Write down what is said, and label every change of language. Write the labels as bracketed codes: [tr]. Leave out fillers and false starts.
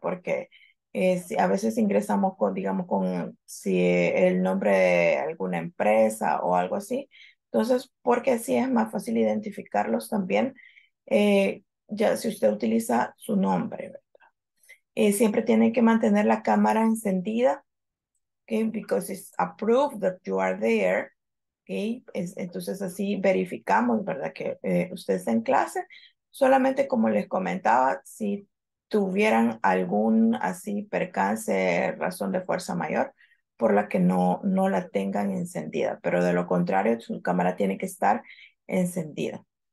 [es] Porque si a veces ingresamos con, digamos, con si, el nombre de alguna empresa o algo así. Entonces, porque así es más fácil identificarlos también, ya si usted utiliza su nombre, ¿verdad? Siempre tiene que mantener la cámara encendida. [en] Okay, because it's approved that you are there. [es] Okay. Entonces así verificamos, ¿verdad? Que usted está en clase. Solamente como les comentaba, si tuvieran algún así percance, razón de fuerza mayor, por la que no la tengan encendida. Pero de lo contrario, su cámara tiene que estar encendida.